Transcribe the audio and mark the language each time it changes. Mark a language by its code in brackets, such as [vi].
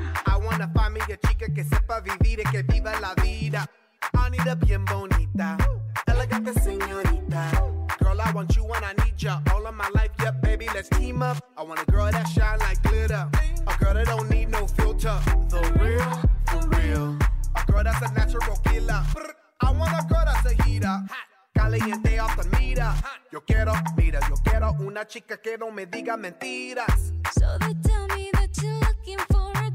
[en] I want a [es] familia chica que sepa vivir y que viva la vida. [en] I need a [es] bien bonita, elegante señorita. [en] Girl, I want you when I need ya. All of my life, yeah, baby, let's team up. I want a girl that shine like glitter. A girl that don't need no filter. The real, the real. A girl that's a natural killer. I want a girl that's a heater. Caliente off the meter. [es] Yo quiero, mira, yo quiero una chica que no me diga mentiras. [en] So they tell me that you're looking for.